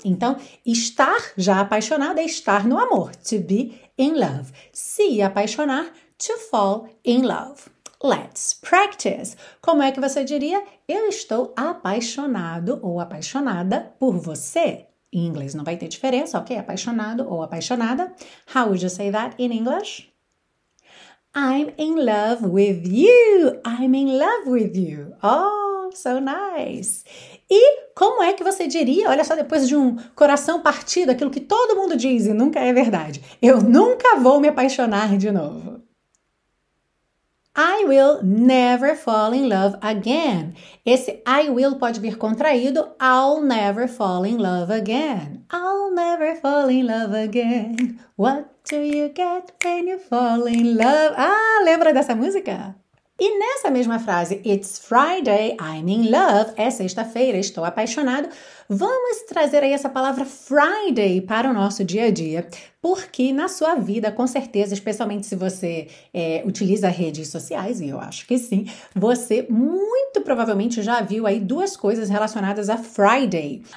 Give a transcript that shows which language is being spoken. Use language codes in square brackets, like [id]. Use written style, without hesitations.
[pt] Então, estar já apaixonado é estar no amor, [en] to be in love. [pt] Se apaixonar, [en] to fall in love. Let's practice. [pt] Como é que você diria, eu estou apaixonado ou apaixonada por você? Em inglês não vai ter diferença, ok? Apaixonado ou apaixonada. [en] How would you say that in English? I'm in love with you. I'm in love with you. Oh, so nice. [pt] E como é que você diria, olha só, depois de um coração partido, aquilo que todo mundo diz e nunca é verdade. Eu nunca vou me apaixonar de novo. [en] I will never fall in love again. [pt] Esse I will pode vir contraído. [en] I'll never fall in love again. I'll never fall in love again. What do you get when you fall in love? [pt] Ah, lembra dessa música? E nessa mesma frase, [en] It's Friday, I'm in love. [pt] É sexta-feira, estou apaixonado. Vamos trazer aí essa palavra Friday para o nosso dia a dia. Porque na sua vida, com certeza, especialmente se você utiliza redes sociais, e eu acho que sim, você muito provavelmente já viu aí duas coisas relacionadas a Friday.